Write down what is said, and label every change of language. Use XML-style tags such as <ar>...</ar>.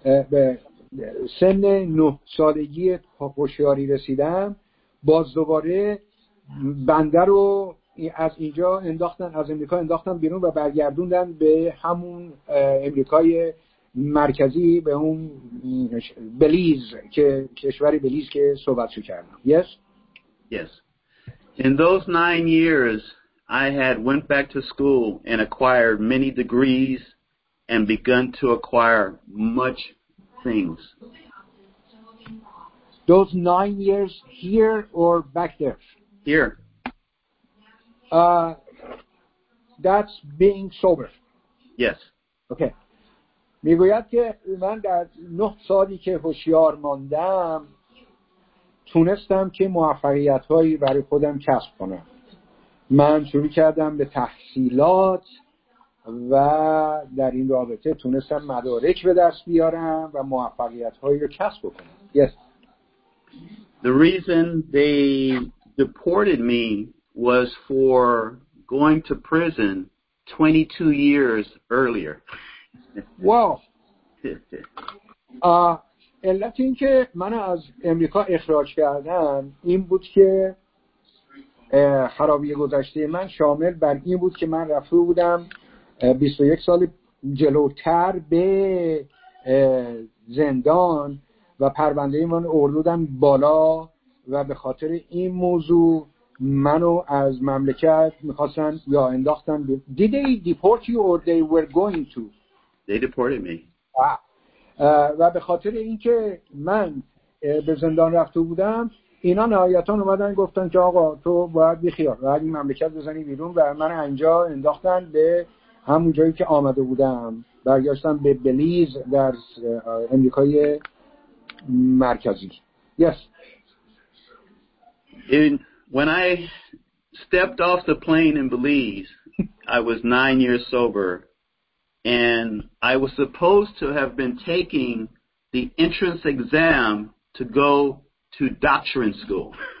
<fa>به سن 9 سالگی هوشیاری رسیدم، باز دوباره بنده رو از اینجا انداختن، از امریکا انداختن بیرون و برگردوندن به همون امریکای مرکزی، به اون بلیز، که کشوری بلیز که صحبت شو کردم.</fa> <en>Yes. In those 9 years, I had went back to school and acquired many degrees and begun to acquire much things. Those 9 years here or back there? Here. That's being sober. Yes. Okay.</en> <fa>میگوید که من در 9 سالی که هوشیار ماندم تونستم که موفقیت هایی برای خودم کسب کنم. من شروع کردم به تحصیلات و در این رابطه تونستم مدارک به دست بیارم و موفقیت هایی رو کسب کنم.</fa> <en>Yes. The reason they deported me was for going to prison 22 years earlier. Wow.</en> <fa>علت این که من از امریکا اخراج کردن این بود که خرابی گذشته من شامل بر این بود که من رفته بودم 21 سال جلوتر به زندان و پرونده من اردودم بالا و به خاطر این موضوع منو از مملکت میخواستن یا انداختن.</fa> <en>Did they deport you or they were going to? They deported me.</en> <fa>و به خاطر اینکه من به زندان رفته بودم، اینا نهایتاً اومدن گفتن که آقا تو باید بیخیال، باید این مملکت بزنی بیرون، و من اینجا انداختن به همون جایی که آمده بودم، برگشتم به بلیز در امریکای مرکزی.</fa> <en>Yes. When I stepped off the plane in Belize, I was 9 years sober. And I was supposed to have been taking the entrance exam to go to doctoring school.</en>